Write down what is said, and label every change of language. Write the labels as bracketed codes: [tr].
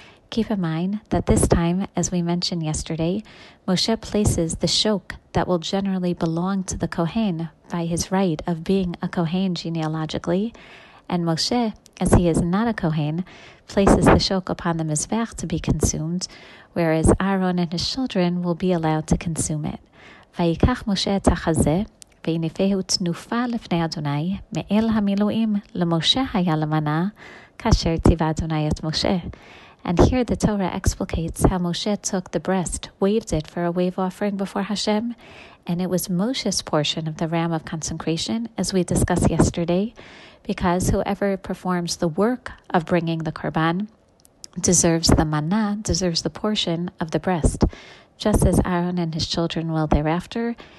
[en] Keep in mind that this time, as we mentioned yesterday, Moshe places the shok that will generally belong to the Kohen by his right of being a Kohen genealogically, and Moshe, as he is not a Kohen, places the shok upon the Mizbeach to be consumed, whereas Aaron and his children will be allowed to consume it. [he] Vayikach Moshe et hachazeh, ויניפהו תנופה לפני אדוני, מאל המילואים, למשה היה למנה, כאשר ציווה אדוני את משה. [en] And here the Torah explicates how Moshe took the breast, waved it for a wave offering before Hashem, and it was Moshe's portion of the ram of consecration, as we discussed yesterday, because whoever performs the work of bringing the korban deserves the mana, deserves the portion of the breast, just as Aaron and his children will thereafter.